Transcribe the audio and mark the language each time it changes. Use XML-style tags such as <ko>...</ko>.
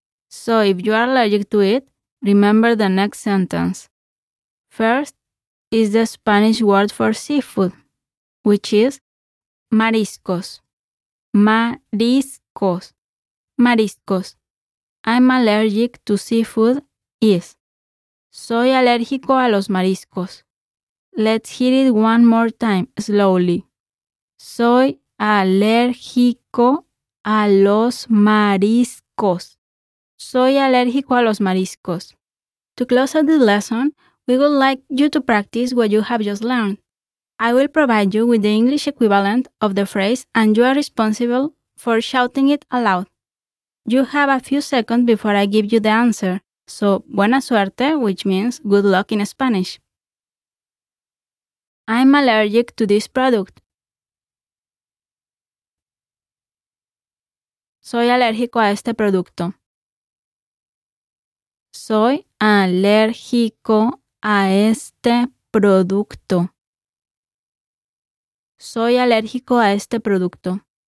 <en>So if you are allergic to it, remember the next sentence. First is the Spanish word for seafood, which is mariscos.</en> <es>Mariscos. Mariscos.</es> <en>I'm allergic to seafood is.</en> <es>Soy alérgico a los mariscos.</es> <en>Let's hear it one more time, slowly.</en> <es>Soy alérgico a los mariscos. Soy alérgico a los mariscos.</es> <en>To close out this lesson, we would like you to practice what you have just learned. I will provide you with the English equivalent of the phrase and you are responsible for shouting it aloud. You have a few seconds before I give you the answer. So, buena suerte, which means good luck in Spanish. I'm allergic to this product.</en> <es>Soy alérgico a este producto. Soy alérgico a este producto. Soy alérgico a este producto.</es>